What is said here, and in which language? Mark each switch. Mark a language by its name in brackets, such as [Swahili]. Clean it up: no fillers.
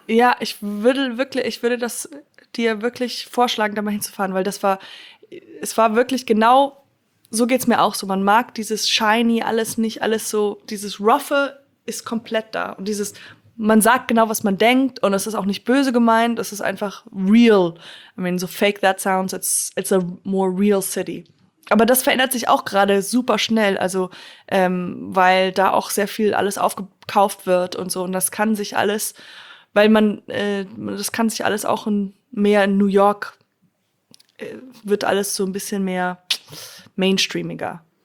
[German] Ja, ich würde das dir wirklich vorschlagen, da mal hinzufahren, weil es war wirklich genau, so geht's mir auch so. Man mag dieses Shiny alles nicht, alles so, dieses Roughe ist komplett da. Und dieses, man sagt genau, was man denkt und es ist auch nicht böse gemeint, es ist einfach real. [English] I mean, so fake that sounds, it's a more real city. [German] Aber das verändert sich auch gerade super schnell, also weil da auch sehr viel alles aufgekauft wird und so. Und das kann sich alles, weil man, das kann sich alles auch mehr in New York, wird alles so ein bisschen mehr mainstreamiger.